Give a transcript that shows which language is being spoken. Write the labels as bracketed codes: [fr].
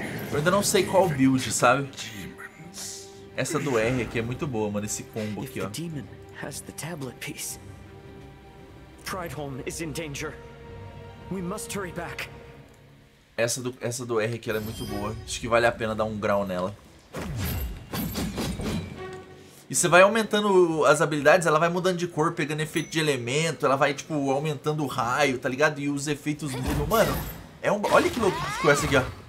[pt] Eu ainda não sei qual build, sabe? Essa do R aqui é muito boa, mano. Esse combo aqui, ó. [en] O tablet piece, Prideholm is in danger. We must hurry back. [pt] Essa do R aqui, ela é muito boa. Acho que vale a pena dar um grau nela. E você vai aumentando as habilidades, ela vai mudando de cor, pegando efeito de elemento, ela vai, tipo, aumentando o raio, tá ligado? E os efeitos mudam. Mano, é um... Olha que louco que ficou essa aqui, ó.